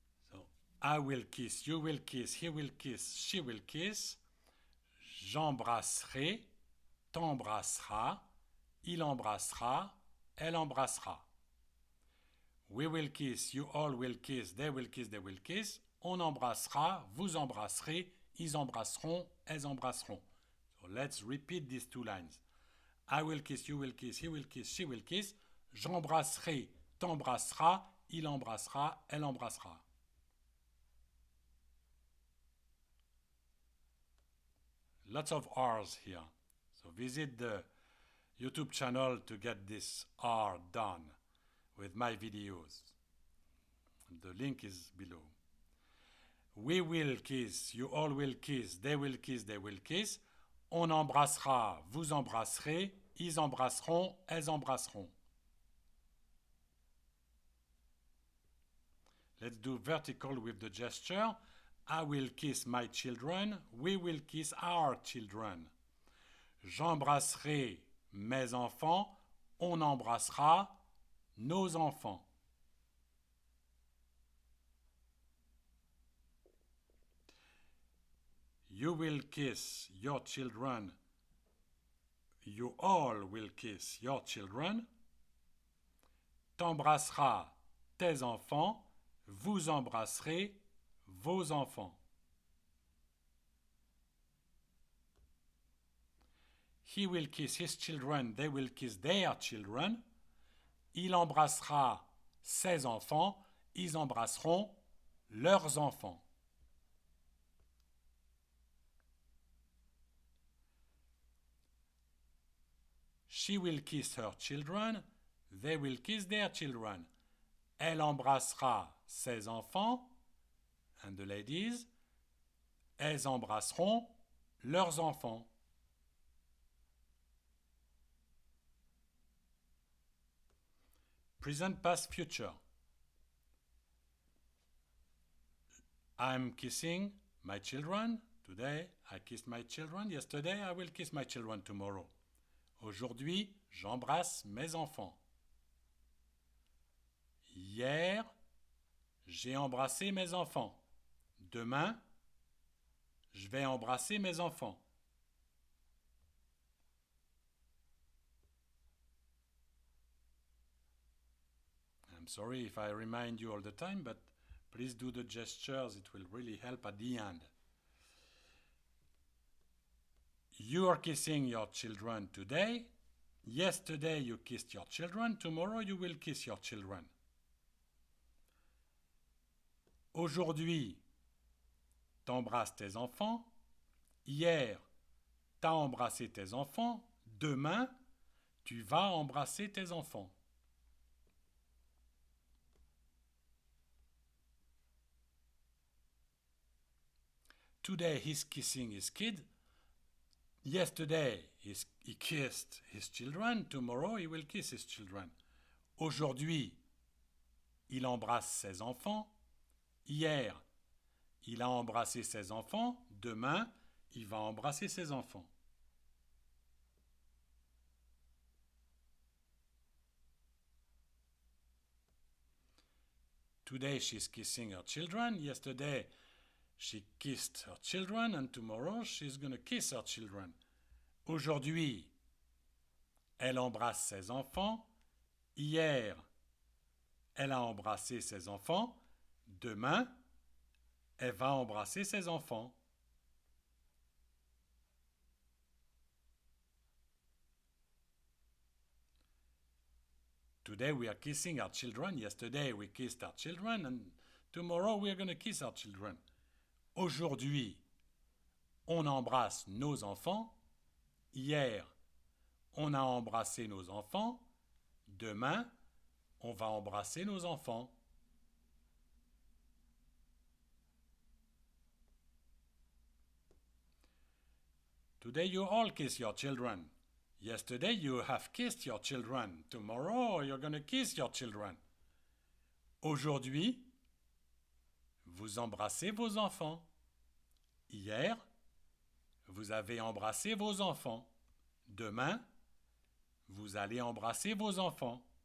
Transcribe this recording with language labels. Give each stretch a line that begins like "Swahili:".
English: So, I will kiss, you will kiss, he will kiss, she will kiss.
French: J'embrasserai, t'embrassera, il embrassera, elle embrassera.
English: We will kiss, you all will kiss, they will kiss, they will kiss.
French: On embrassera, vous embrasserez, ils embrasseront, elles embrasseront.
English: So, let's repeat these two lines. I will kiss, you will kiss, he will kiss, she will kiss.
French: J'embrasserai, t'embrassera, il embrassera, elle embrassera.
English: Lots of R's here. So visit the YouTube channel to get this R done with my videos. The link is below. We will kiss, you all will kiss, they will kiss, they will kiss.
French: On embrassera, vous embrasserez. Ils embrasseront, elles embrasseront.
English: Let's do vertical with the gesture. I will kiss my children. We will kiss our children.
French: J'embrasserai mes enfants. On embrassera nos enfants.
English: You will kiss your children. You all will kiss your children.
French: T'embrassera tes enfants. Vous embrasserez vos enfants.
English: He will kiss his children. They will kiss their children.
French: Il embrassera ses enfants. Ils embrasseront leurs enfants.
English: She will kiss her children, they will kiss their children.
French: Elle embrassera ses enfants,
English: and the ladies,
French: elles embrasseront leurs enfants.
English: Present past future. I'm kissing my children today. I kissed my children yesterday. I will kiss my children tomorrow.
French: Aujourd'hui, j'embrasse mes enfants. Hier, j'ai embrassé mes enfants. Demain, je vais embrasser mes enfants.
English: I'm sorry if I remind you all the time, but please do the gestures, it will really help at the end. You are kissing your children today. Yesterday you kissed your children. Tomorrow you will kiss your children.
French: Aujourd'hui, t'embrasses tes enfants. Hier, t'as embrassé tes enfants. Demain, tu vas embrasser tes enfants.
English: Today he's kissing his kid. Yesterday, he kissed his children. Tomorrow, he will kiss his children.
French: Aujourd'hui, il embrasse ses enfants. Hier, il a embrassé ses enfants. Demain, il va embrasser ses enfants.
English: Today, she's kissing her children. Yesterday, she kissed her children. And tomorrow, she's going to kiss her children.
French: Aujourd'hui, elle embrasse ses enfants. Hier, elle a embrassé ses enfants. Demain, elle va embrasser ses enfants.
English: Today we are kissing our children. Yesterday we kissed our children. And tomorrow we are going to kiss our children.
French: Aujourd'hui, on embrasse nos enfants. Hier, on a embrassé nos enfants. Demain, on va embrasser nos enfants.
English: Today you all kiss your children. Yesterday you have kissed your children. Tomorrow you're going to kiss your children.
French: Aujourd'hui, vous embrassez vos enfants. Hier, vous avez embrassé vos enfants. Demain, Vous allez embrasser vos enfants.